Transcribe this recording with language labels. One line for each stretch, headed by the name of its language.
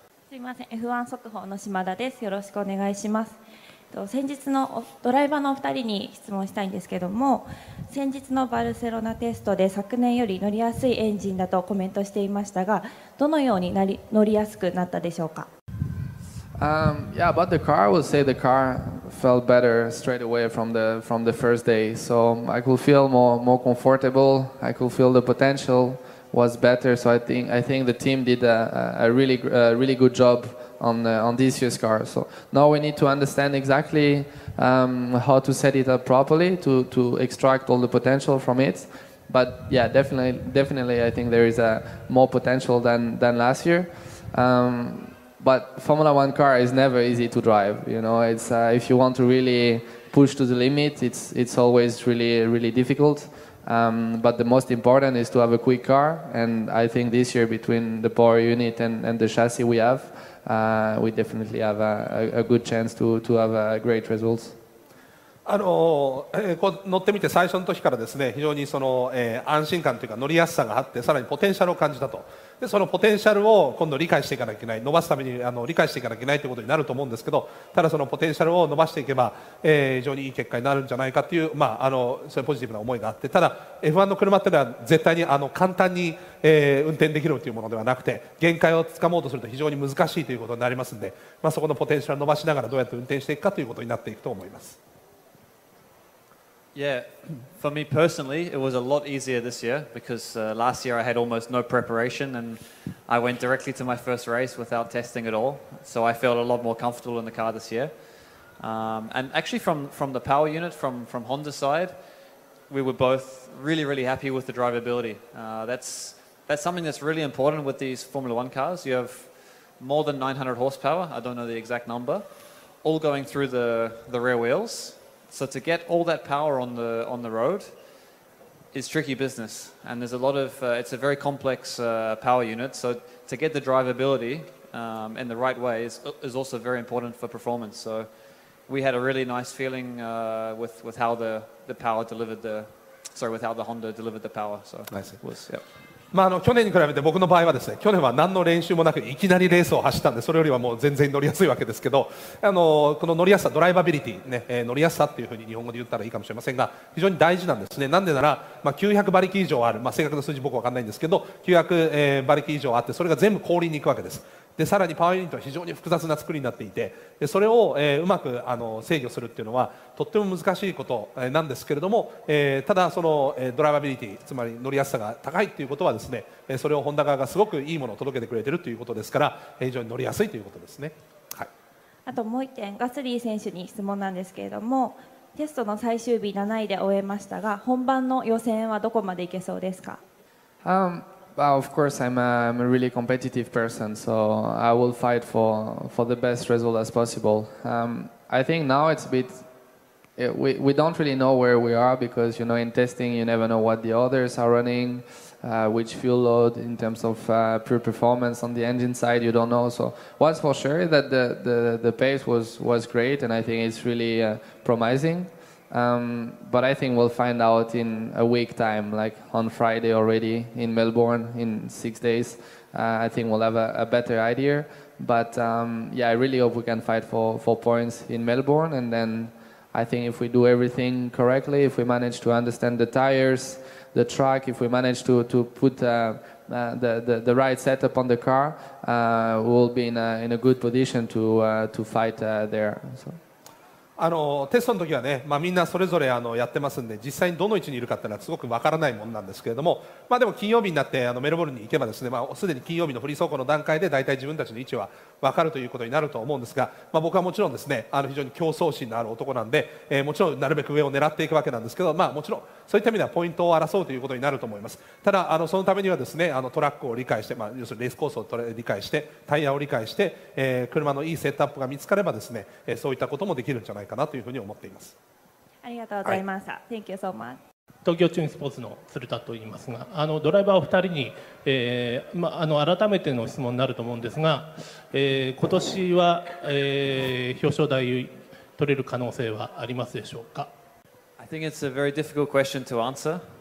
Japanese: すいません、 F1 速報の島田です。よろしくお願いします。先日のドライバーのお二人に質問したいんですけども先日のバルセロナテストで昨年より乗りやすいエンジンだとコメントしていましたがどのようになり乗りやすくなったでしょうか。
English: Yeah, but the car, I would say the car felt better straight away from the first day. So I could feel more comfortable. I could feel the potential was better. So I think the team did a really good job on this year's car. So now we need to understand exactly how to set it up properly to extract all the potential from it. But yeah, definitely, I think there is a more potential than last year. But Formula One car is never easy to drive. You know, it's if you want to really push to the limit, it's always really, really difficult. But the most important is to have a quick car. And I think this year between the power unit and the chassis we have, we definitely have a good chance to have a great results.
Japanese: 乗ってみて最初の時からですね、非常にその、安心感というか乗りやすさがあって、さらにポテンシャルを感じたと。でそのポテンシャルを今度理解していかなきゃいけない伸ばすために理解していかなきゃいけないということになると思うんですけどただそのポテンシャルを伸ばしていけば、非常にいい結果になるんじゃないかという、まあ、そういうポジティブな思いがあってただ F1 の車というのは絶対に簡単に、運転できるというものではなくて限界をつかもうとすると非常に難しいということになりますので、まあ、そこのポテンシャルを伸ばしながらどうやって運転していくかということになっていくと思います。
English: Yeah, for me personally it was a lot easier this year because last year I had almost no preparation and I went directly to my first race without testing at all so I felt a lot more comfortable in the car this year and actually from the power unit from Honda side we were both really really happy with the drivability that's something that's really important with these Formula One cars. You have more than 900 horsepower, I don't know the exact number, all going through the rear wheels. So to get all that power on the road is tricky business. And there's a lot of, it's a very complex power unit. So to get the drivability in the right way is also very important for performance. So we had a really nice feeling with how the power delivered the, sorry, with how the Honda delivered the power. So it was, yep.
Japanese: まあ、去年に比べて僕の場合はですね去年は何の練習もなくいきなりレースを走ったんでそれよりはもう全然乗りやすいわけですけどこの乗りやすさドライバビリティ、ね乗りやすさっていうふうに日本語で言ったらいいかもしれませんが非常に大事なんですね。なんでなら、まあ、900馬力以上ある、まあ、正確な数字僕は分かんないんですけど900、馬力以上あってそれが全部後輪に行くわけです。でさらにパワーユニットは非常に複雑な作りになっていてでそれを、うまく制御するっていうのはとっても難しいことなんですけれども、ただその、ドライバビリティつまり乗りやすさが高いっていうことはですね、それをホンダ側がすごくいいものを届けてくれてるということですから非常に乗りやすいということですね、はい、あともう一点ガスリー選手に質問なんですけれどもテストの最終日7位で終えましたが本番の予選はどこまでいけそうですか。
English: Of course, I'm a really competitive person, so I will fight for the best result as possible. I think now it's a bit, we don't really know where we are because, you know, in testing, you never know what the others are running, which fuel load in terms of pure performance on the engine side, you don't know. So what's for sure is that the pace was great, and I think it's really promising. But I think we'll find out in a week time, like on Friday already in Melbourne in 6 days. I think we'll have a better idea. But yeah, I really hope we can fight for points in Melbourne. And then I think if we do everything correctly, if we manage to understand the tires, the track, if we manage to put the right setup on the car, we'll be in a good position to fight there. So.
Japanese: あのテストの時はね、まあ、みんなそれぞれあのやってますんで実際にどの位置にいるかっていうのはすごくわからないものなんですけれども、まあ、でも金曜日になってあのメルボルンに行けばですね、まあ、すでに金曜日のフリー走行の段階で大体自分たちの位置はわかるということになると思うんですが、まあ、僕はもちろんですねあの非常に競争心のある男なんで、もちろんなるべく上を狙っていくわけなんですけど、まあ、もちろんそういった意味ではポイントを争うということになると思います。ただあのそのためにはですねあのトラックを理解して、まあ、要するにレースコースを理解してタイヤを理解して、車のいいセットアップが見つかればですね、そういったこともできるんじゃないかなというふうに思っています。ありがとうございました、はい、
English: Thank you so much。
Japanese: 東京チューンスポーツの鶴田といいますが、あのドライバーお二人に、ま、あの改めての質問になると思うんですが、今年は、表彰台取れる可能性はありますでしょうか。
English: I think it's a very difficult question to answer.